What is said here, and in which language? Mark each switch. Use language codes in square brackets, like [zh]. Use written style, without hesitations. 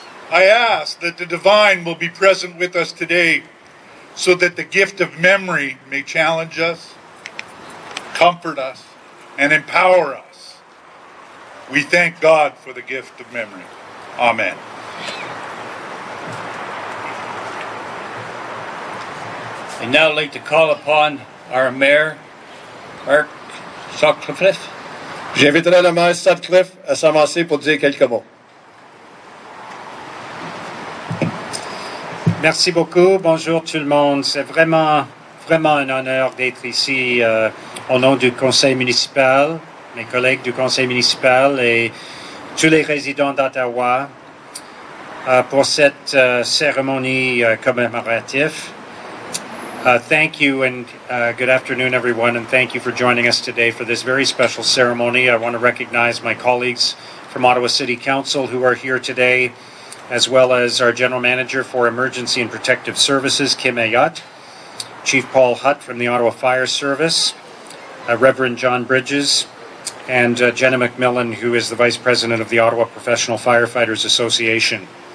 [en] I ask that the divine will be present with us today, so that the gift of memory may challenge us, comfort us, and empower us. We thank God for the gift of memory. Amen. I'd now like to call upon our mayor, Mark Sutcliffe. [fr] J'inviterai le maire Sutcliffe à s'avancer pour dire quelques mots. Merci beaucoup. Bonjour tout le monde. C'est vraiment, vraiment un honneur d'être ici au nom du conseil municipal, mes collègues du conseil municipal et tous les résidents d'Ottawa pour cette cérémonie commémorative. [en] Thank you and good afternoon, everyone, and thank you for joining us today for this very special ceremony. I want to recognize my colleagues from Ottawa City Council who are here today, as well as our General Manager for Emergency and Protective Services, Kim Ayotte, Chief Paul Hutt from the Ottawa Fire Service, Reverend John Bridges, and Jenna McMillan, who is the Vice President of the Ottawa Professional Firefighters Association.